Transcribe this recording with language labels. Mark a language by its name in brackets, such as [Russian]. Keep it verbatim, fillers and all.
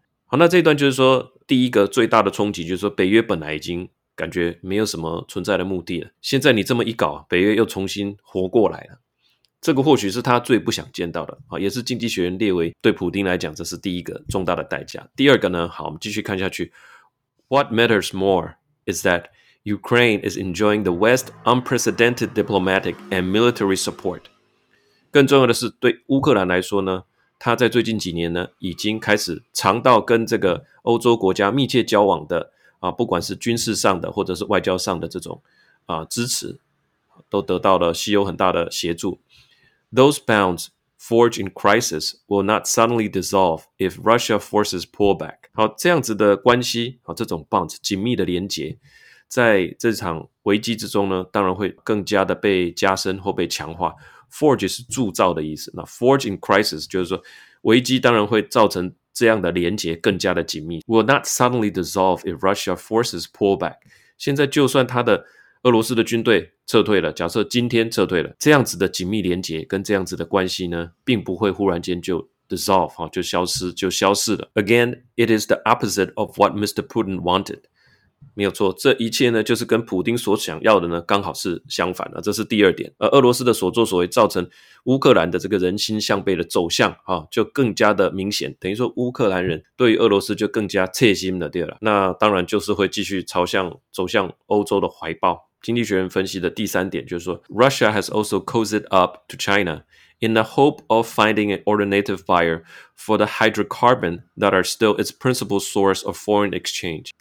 [Chinese] 好，那这一段就是说第一个最大的冲击就是说北约本来已经感觉没有什么存在的目的了，现在你这么一搞，北约又重新活过来了，这个或许是他最不想见到的啊，也是经济学人列为对普丁来讲这是第一个重大的代价。第二个呢，好，我们继续看下去。 [English] What matters more is that Ukraine is enjoying the West's unprecedented diplomatic and military support. [Chinese] 更重要的是，对乌克兰来说呢，它在最近几年呢，已经开始尝到跟这个欧洲国家密切交往的啊，不管是军事上的或者是外交上的这种啊支持，都得到了西欧很大的协助。 [English] Those bonds forged in crisis will not suddenly dissolve if Russia forces pullback. [Chinese] 好，这样子的关系，好，这种 bonds 紧密的连结，在这场危机之中呢，当然会更加的被加深或被强化。 Forge 是铸造的意思，那 [English] forge in crisis [Chinese] 就是说危机当然会造成这样的连结更加的紧密。 [English] Will not suddenly dissolve if Russia forces pullback。 [Chinese] 现在就算他的俄罗斯的军队撤退了，假设今天撤退了，这样子的紧密连结跟这样子的关系呢，并不会忽然间就 dissolve 就消失就消失了。 [English] Again, it is the opposite of what Mister Putin wanted。 [Chinese] 没有错，这一切呢就是跟普丁所想要的呢刚好是相反的，这是第二点。而俄罗斯的所作所为造成乌克兰的这个人心向背的走向啊，就更加的明显，等于说乌克兰人对于俄罗斯就更加切心了，对了，那当然就是会继续朝向走向欧洲的怀抱。经济学人分析的第三点就是说 [English] Russia has also cozied up to China in the hope of finding an alternative buyer for the hydrocarbon that are still its principal source of foreign exchange.